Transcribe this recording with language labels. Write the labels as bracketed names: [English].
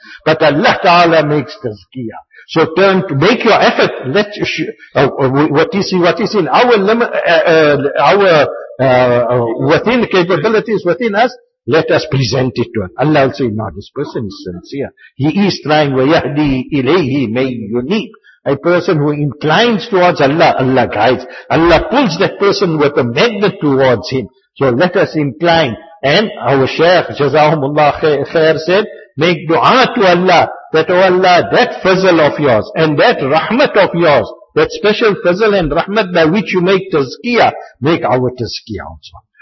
[English] But Allah Ta'ala makes tazkiyah. So turn to, make your effort. What is in our within capabilities within us, let us present it to Allah. Allah will say, no, this person is sincere. He is trying, [Arabic] وَيَهْدِي إِلَيْهِ مَنْ يُنِيبُ. [English] A person who inclines towards Allah, Allah guides. Allah pulls that person with a magnet towards Him. So let us incline. And our Shaykh, Jazahumullah Khair, said, make dua to Allah, that, oh Allah, that fazl of yours, and that rahmat of yours, that special fazl and rahmat by which you make tazkiyah, make our tazkiyah also.